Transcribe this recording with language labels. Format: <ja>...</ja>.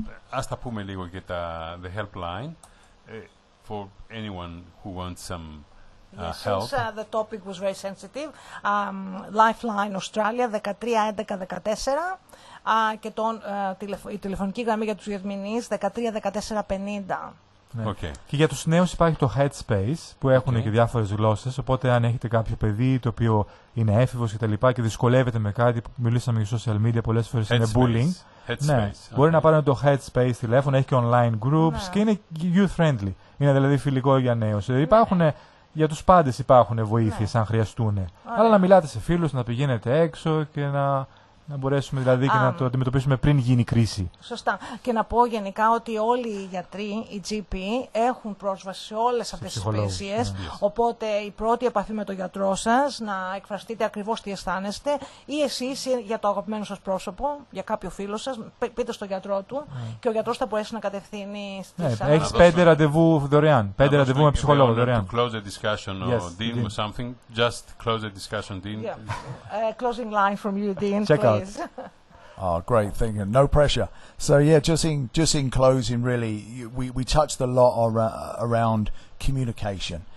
<el>Ας τα πούμε λίγο για τα</el> <en>the helpline for anyone who wants some help. Since the topic was very sensitive, Lifeline Australia 13 11 14.</en> <el>Και τον, η τηλεφωνική γραμμή για τους διευμηνείς 13 14 50. Ναι. Okay. Και για τους νέους υπάρχει το Headspace που έχουν okay. και διάφορες γλώσσες. Οπότε αν έχετε κάποιο παιδί το οποίο είναι έφηβος και τα λοιπά και δυσκολεύεται με κάτι, μιλήσαμε για social media πολλές φορές, είναι bullying. Headspace. Ναι. Okay. Μπορεί να πάρουν το Headspace τηλέφωνο, έχει και online groups ναι. και είναι youth friendly. Είναι δηλαδή φιλικό για νέους. Ναι. Υπάρχουν, για τους πάντες υπάρχουν βοήθειες ναι. αν χρειαστούν. Ωραία. Αλλά να μιλάτε σε φίλους, να πηγαίνετε έξω και να... Να μπορέσουμε δηλαδή και να το αντιμετωπίσουμε πριν γίνει κρίση. Σωστά. Και να πω γενικά ότι όλοι οι γιατροί, οι GP, έχουν πρόσβαση σε όλες αυτές τις υπηρεσίες. Ναι. Οπότε η πρώτη επαφή με τον γιατρό σας, να εκφραστείτε ακριβώς τι αισθάνεστε, ή εσείς για το αγαπημένο σας πρόσωπο, για κάποιο φίλο σας, πείτε στον γιατρό του και ο γιατρός θα μπορέσει να κατευθύνει στις ναι, έχει πέντε ραντεβού δωρεάν. Πέντε ραντεβού με ψυχολόγο δωρεάν.</el> <en>Close the discussion, yes, or Dean, or something. Just close the discussion, Dean. Yeah. Closing line from you, Dean. Oh, great thing. No pressure. So, yeah, just in closing, really, we touched a lot around communication.</en>